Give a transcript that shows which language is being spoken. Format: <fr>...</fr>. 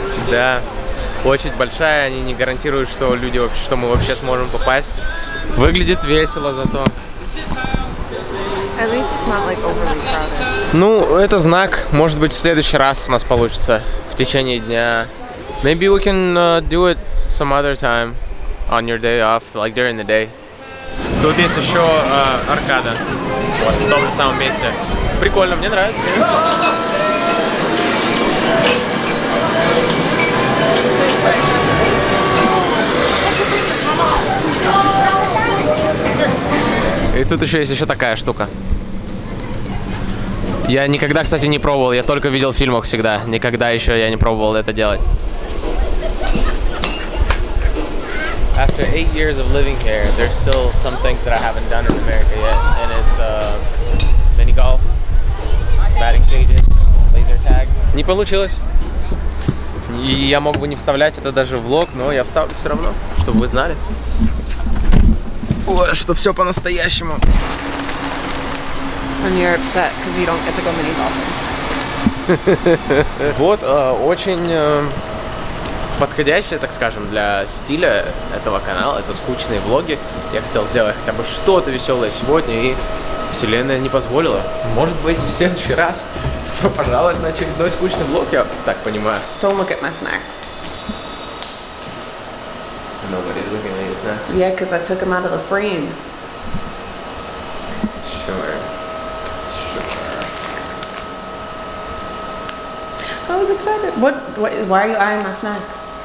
<ru>Да. Очередь большая. Они не гарантируют, что люди вообще, что мы вообще сможем попасть. Выглядит весело зато.</ru> <en>At least it's not like overly crowded.</en> <ru>Ну, это знак. Может быть, в следующий раз у нас получится в течение дня.</ru> <en>Maybe we can do it some other time on your day off, like during the day.</en> <ru>Тут есть еще аркада. Вот, в том же самом месте. Прикольно, мне нравится. И тут еще есть еще такая штука. Я никогда, кстати, не пробовал, я только видел в фильмах всегда. Никогда еще я не пробовал это делать.</ru> <en>After 8 years of living here, there's still some things that I haven't done in America yet. And it's mini-golf, batting cages, laser tag.</en> <ru>Не получилось. И я мог бы не вставлять это даже в влог, но я вставлю все равно, чтобы вы знали. О, что все по-настоящему.</ru> <en>And you're upset because you don't get to go mini golfing.</en> <ru>Вот очень подходящее, так скажем, для стиля этого канала. Это скучные влоги. Я хотел сделать хотя бы что-то веселое сегодня, и вселенная не позволила. Может быть, в следующий раз пожаловать на очередной скучный влог, я так понимаю.</ru> <en>Don't look at my snacks. Nobody's looking at your snacks. Yeah, because I took them out of the frame. Sure. I was excited. What? Why are you eyeing my snacks?</en>